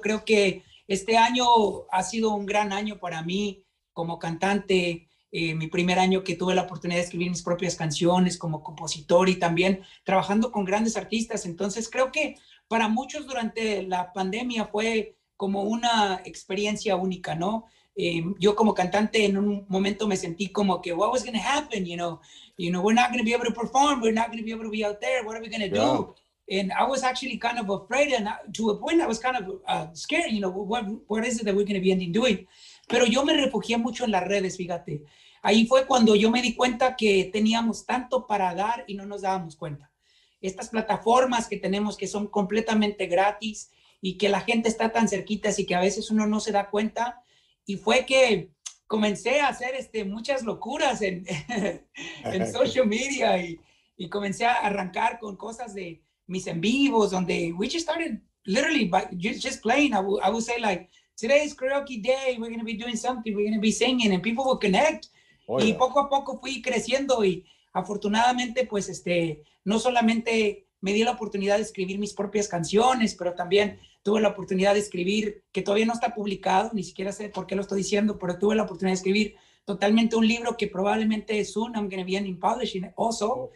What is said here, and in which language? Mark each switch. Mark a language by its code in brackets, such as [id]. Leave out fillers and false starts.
[es] Creo que este año ha sido un gran año para mí como cantante. Mi primer año que tuve la oportunidad de escribir mis propias canciones como compositor y también trabajando con grandes artistas. Entonces, creo que para muchos durante la pandemia fue como una experiencia única, ¿no? Yo como cantante en un momento me sentí como que, [en] what was going to happen, you know, we're not going to be able to perform, we're not going to be able to be out there, what are we going to do? And I was actually kind of afraid, and to a point I was kind of scared, you know, what is it that we're going to be ending doing? [es] Pero yo me refugié mucho en las redes, fíjate. Ahí fue cuando yo me di cuenta que teníamos tanto para dar y no nos dábamos cuenta. Estas plataformas que tenemos que son completamente gratis y que la gente está tan cerquita y que a veces uno no se da cuenta. Y fue que comencé a hacer muchas locuras en social media y comencé a arrancar con cosas de mis en vivos, donde [en] we just started literally by just playing. I would say like, today is karaoke day, we're going to be doing something, we're going to be singing, and people will connect. Oh, yeah. [es] Y poco a poco fui creciendo y afortunadamente, pues, no solamente me di la oportunidad de escribir mis propias canciones, pero también tuve la oportunidad de escribir, que todavía no está publicado, ni siquiera sé por qué lo estoy diciendo, pero tuve la oportunidad de escribir totalmente un libro que probablemente es un [en] I'm going to be ending publishing also.